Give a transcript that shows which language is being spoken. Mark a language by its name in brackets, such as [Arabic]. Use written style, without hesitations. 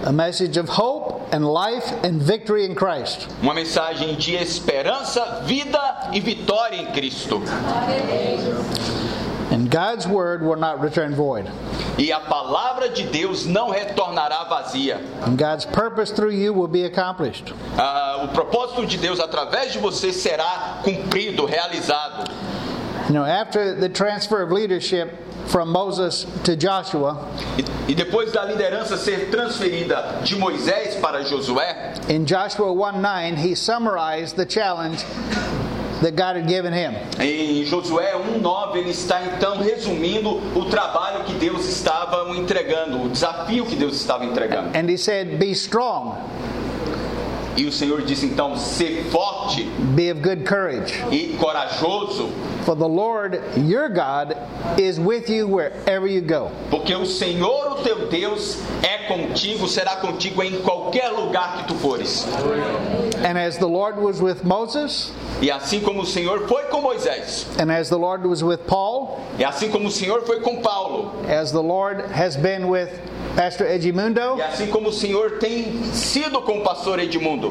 [English] A message of hope and life and victory in Christ. [Portuguese] Uma mensagem de esperança, vida e vitória em Cristo. [English] And God's word will not return void. [Portuguese] E a palavra de Deus não retornará vazia. [English] And God's purpose through you will be accomplished. [Portuguese] O propósito de Deus através de você será cumprido, realizado. [English] You know, after the transfer of leadership from Moses to Joshua, [Portuguese] e depois da liderança ser transferida de Moisés para Josué, [English] in Joshua 1:9, he summarized the challenge that God had given him. [Portuguese] Em Josué 1:9, ele está então resumindo o trabalho que Deus estava entregando, o desafio que Deus estava entregando. [English] And he said, "Be strong." [Portuguese] E o Senhor disse então, ser forte. [English] Be of good courage. [Portuguese] E corajoso. [English] For the Lord, your God, is with you wherever you go. [Portuguese] Porque o Senhor, o teu Deus, é contigo, será contigo em qualquer lugar que tu fores. [English] And as the Lord was with Moses, [Portuguese] e assim como o Senhor foi com Moisés, [English] and as the Lord was with Paul, [Portuguese] e assim como o Senhor foi com Paulo, [English] as the Lord has been with Pastor Edmundo, [Portuguese] e assim como o Senhor tem sido com o Pastor Edmundo,